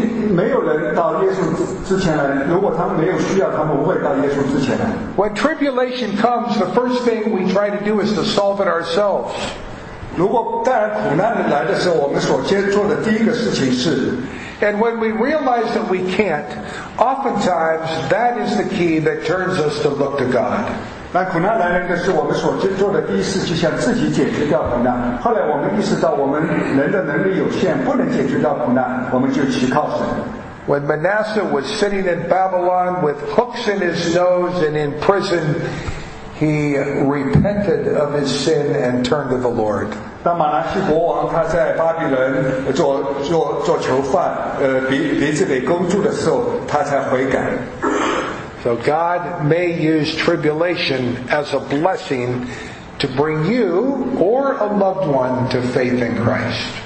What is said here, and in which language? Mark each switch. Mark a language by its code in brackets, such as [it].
[zh] 没有人到耶稣之前来，如果他们没有需要，他们不会到耶稣之前来。 [en] When tribulation comes, the first thing we try to do is to solve it ourselves. [zh] 如果带来苦难来的时候，我们首先做的第一个事情是。 [en] And when we realize that we can't, oftentimes that is the key that turns us to look to God. [zh] 来苦难来临的是我们所做的第一事，就想自己解决掉苦难。后来我们意识到我们人的能力有限，不能解决掉苦难，我们就祈靠神。 [en] When Manasseh was sitting in Babylon with hooks in his nose and in prison, he repented of his sin and turned to the Lord. [zh] 当马拿西国王他在巴比伦做囚犯，鼻子被勾住的时候，他才悔改。 [en] So God may use tribulation as a blessing to bring you or a loved one to faith in Christ.